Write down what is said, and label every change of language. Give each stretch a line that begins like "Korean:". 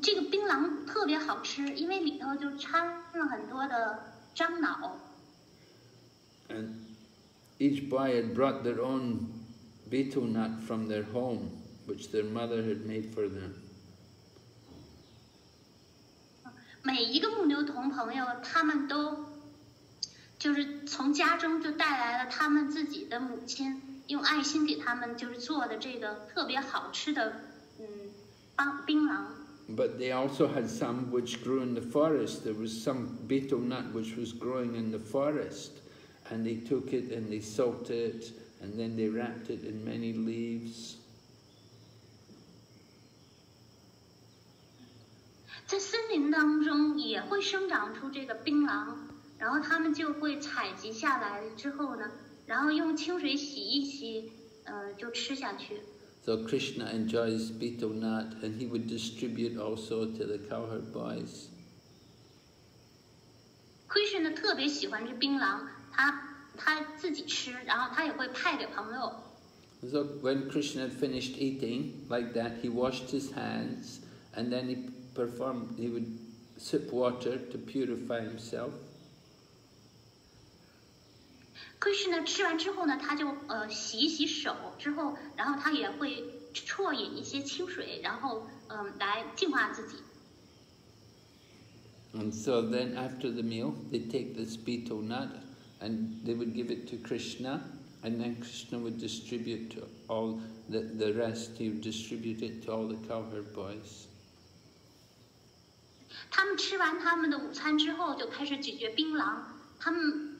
Chinese: 这个槟榔特别好吃, 因为里头就掺了很多的樟脑。
English: And each boy had brought their own betel nut from their home, which their mother had made for them.
Chinese: 每一个牧牛童朋友，他们都就是从家中就带来了他们自己的母亲用爱心给他们就是做的这个特别好吃的槟榔。
English: But they also had some which grew in the forest. There was some betel nut which was growing in the forest, and they took it and they soaked it, and then they wrapped it in many leaves.
Chinese: 在森林当中也会生长出这个槟榔，然后他们就会采集下来之后呢，然后用清水洗一洗，就吃下去。
English: So Krishna enjoys betel nut, and he would distribute also to the cowherd boys.
Chinese: Krishna 特别喜欢这槟榔，他自己吃，然后他也会派给朋友。
English: So when Krishna finished eating like that, he washed his hands, and then he performed. He would sip water to purify himself.
Chinese: Krishna 吃完之后呢，他就洗一洗手之后，然后他也会啜饮一些清水，然后来净化自己。
English: And so then after the meal, they take this betel nut, and they would give it to Krishna, and then Krishna would distribute to all the rest. He would distribute it to all the cowherd boys.
Chinese: 他们吃完他们的午餐之后，就开始咀嚼槟榔，他们。